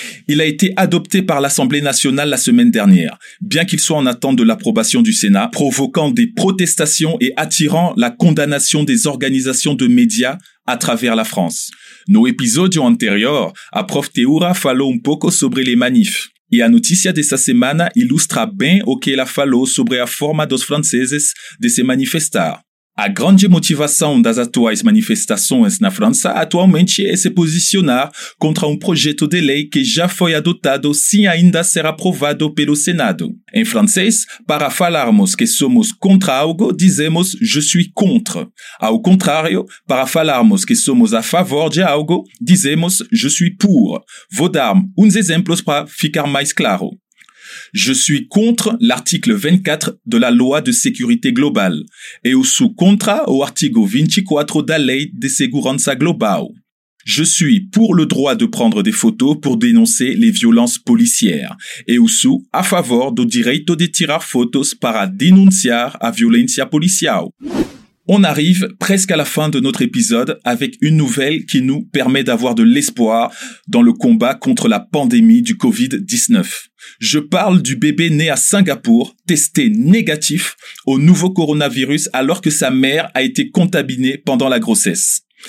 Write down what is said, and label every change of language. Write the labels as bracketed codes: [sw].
[fr] Il a été adopté par l'Assemblée nationale la semaine dernière, bien qu'il soit en attente de l'approbation du Sénat, provoquant des protestations et attirant la condamnation des organisations de médias à travers la France. [pt] No episodio anterior, a Prof. Teura falou un poco sobre les manifs. E a notícia dessa semana ilustra bem o que ela falou sobre a forma dos franceses de se manifestar. A grande motivação das atuais manifestações na França atualmente é se posicionar contra um projeto de lei que já foi adotado sem ainda ser aprovado pelo Senado. Em francês, para falarmos que somos contra algo, dizemos [fr] «je suis contre». [pt] Ao contrário, para falarmos que somos a favor de algo, dizemos [fr] «je suis pour». [pt] Vou dar uns exemplos para ficar mais claro. [fr] Je suis contre l'article 24 de la loi de sécurité globale. [pt] Et eu sou contra o artigo 24 da lei de segurança global. [fr] Je suis pour le droit de prendre des photos pour dénoncer les violences policières. [pt] Et eu sou a favor do direito de tirar fotos para denunciar a violência policial. [fr] On arrive presque à la fin de notre épisode avec une nouvelle qui nous permet d'avoir de l'espoir dans le combat contre la pandémie du Covid-19. Je parle du bébé né à Singapour, testé négatif au nouveau coronavirus alors que sa mère a été contaminée pendant la grossesse.